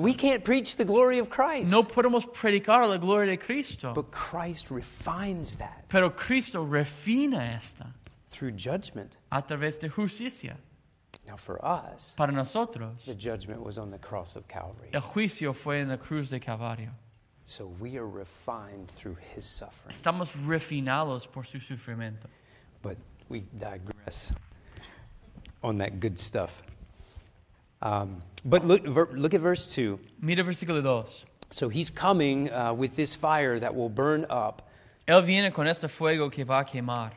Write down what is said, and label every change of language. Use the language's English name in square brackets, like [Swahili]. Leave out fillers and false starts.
[English] We can't preach the glory of Christ. [Spanish] No podemos predicar la gloria de Cristo. [English] But Christ refines that. [Spanish] Pero Cristo refina esta. [English] Through judgment. [Spanish] A través de justicia. [English] Now for us. [Spanish] Para nosotros. [English] The judgment was on the cross of Calvary. [Spanish] El juicio fue en la cruz de Calvario. [English] So we are refined through his suffering. [Spanish] Estamos refinados por su sufrimiento. [English] But we digress on that good stuff. But look at verse 2. [Spanish] Mira versículo 2. [English] So he's coming with this fire that will burn up. [Spanish] Él viene con este fuego que va a quemar.